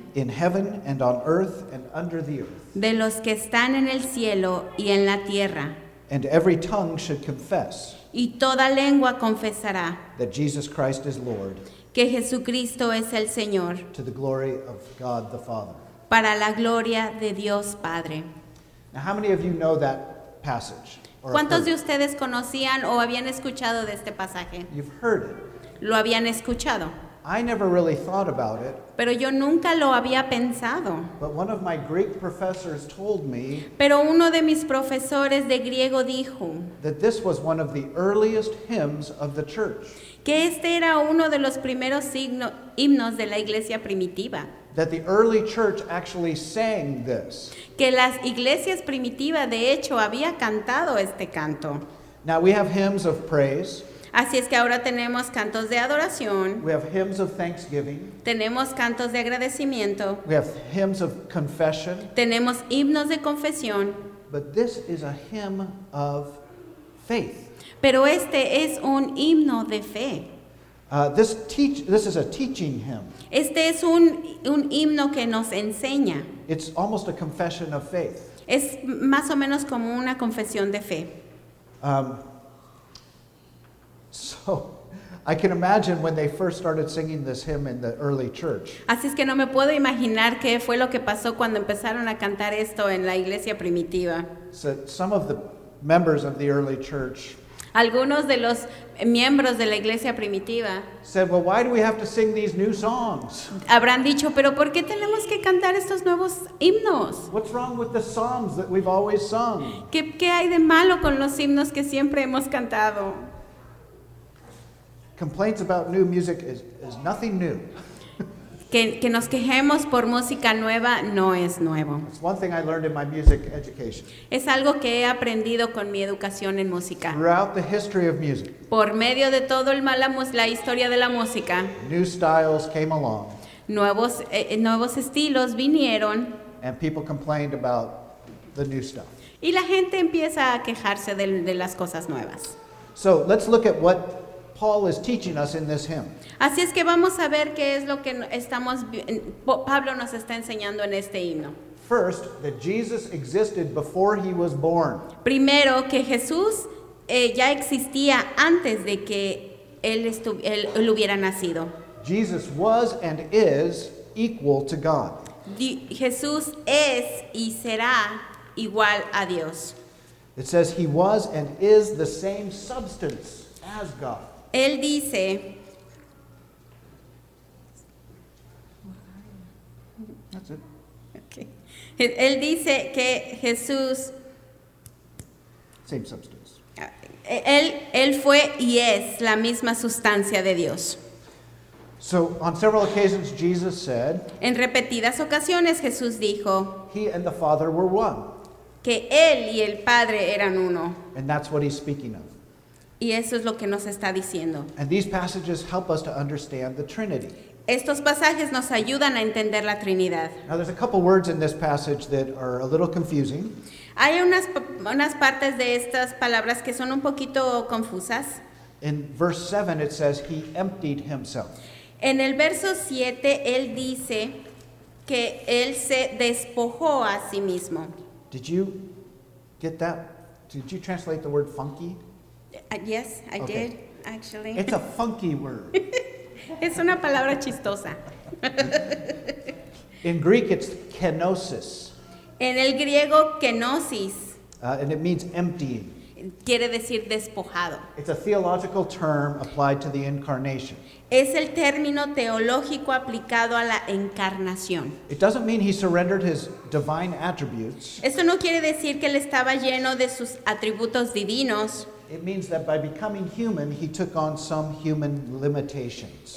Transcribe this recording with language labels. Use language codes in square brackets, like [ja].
[en] In heaven and on earth and under the earth. [es] De los que están en el cielo y en la tierra. [en] And every tongue should confess. [es] Y toda lengua confesará. [en] That Jesus Christ is Lord. [es] Que Jesucristo es el Señor. [en] To the glory of God the Father. [es] Para la gloria de Dios Padre. [en] Now how many of you know that passage? [es] ¿Cuántos de ustedes conocían o habían escuchado de este pasaje? [en] You've heard it. [es] Lo habían escuchado. [en] I never really thought about it. [es] Pero yo nunca lo había pensado. [en] But one of my Greek professors told me. [es] Pero uno de mis profesores de griego dijo. [en] That this was one of the earliest hymns of the church. [es] Que este era uno de los primeros himnos de la iglesia primitiva. [en] that the early church actually sang this. [es] Que las iglesias primitivas de hecho había cantado este canto. [en] Now we have hymns of praise. [es] Así es que ahora tenemos cantos de adoración. [en] We have hymns of thanksgiving. [es] Tenemos cantos de agradecimiento. [en] We have hymns of confession. [es] Tenemos himnos de confesión. [en] But this is a hymn of faith. [es] Pero este es un himno de fe. [en] This is a teaching hymn. [es] Este es un himno que nos enseña. [en] It's almost a confession of faith. [es] Es más o menos como una confesión de fe. [en] So, I can imagine when they first started singing this hymn in the early church. [es] Así es que no me puedo imaginar qué fue lo que pasó cuando empezaron a cantar esto en la iglesia primitiva. [en] So, some of the members of the early church. [es] Algunos de los miembros de la iglesia primitiva. [en] Said, well, why do we have to sing these new songs? [es] Habrán dicho, pero ¿por qué tenemos que cantar estos nuevos himnos? [en] What's wrong with the psalms that we've always sung? [es] ¿Qué hay de malo con los himnos que siempre hemos cantado? [en] Complaints about new music is nothing new. [es] que nos quejemos por música nueva no es nuevo. [en] It's one thing I learned in my music education. [es] Es algo que he aprendido con mi educación en música. [en] Throughout the history of music. [es] Por medio de todo el la historia de la música. [en] New styles came along. [es] Nuevos estilos vinieron. [en] And people complained about the new stuff. [es] Y la gente empieza a quejarse de las cosas nuevas. [en] So let's look at what Paul is teaching us in this hymn. [es] Así es que vamos a ver qué es lo que estamos Pablo nos está enseñando en este himno. [en] First, that Jesus existed before he was born. [es] Primero, que Jesús ya existía antes de que él hubiera nacido. [en] Jesus was and is equal to God. [es] Jesús es y será igual a Dios. [en] It says he was and is the same substance as God. [es] Él dice, [en] that's it. [es] Okay. Él dice que Jesús, [en] same substance. [es] Él fue y es la misma sustancia de Dios. [en] So on several occasions Jesus said, [es] en repetidas ocasiones Jesús dijo, [en] he and the Father were one. [es] Que él y el Padre eran uno. [en] And that's what he's speaking of. [es] Y eso es lo que nos está diciendo. [en] And these passages help us to understand the Trinity. [es] Estos pasajes nos ayudan a entender la Trinidad. [en] Now there's a couple words in this passage that are a little confusing. [es] Hay unas partes de estas palabras que son un poquito confusas. [en] In verse 7 it says he emptied himself. [es] En el verso 7 él dice que él se despojó a sí mismo. [en] Did you get that? Did you translate the word funky? Yes, I did, actually. It's a funky word. [es] Es una palabra chistosa. [en] In Greek, it's kenosis. [es] En el griego, kenosis. [en] And it means emptying. [es] Quiere decir despojado. [en] It's a theological term applied to the incarnation. [es] Es el término teológico aplicado a la encarnación. [en] It doesn't mean he surrendered his divine attributes. [es] Eso no quiere decir que él estaba lleno de sus atributos divinos. [en] It means that by becoming human, he took on some human limitations.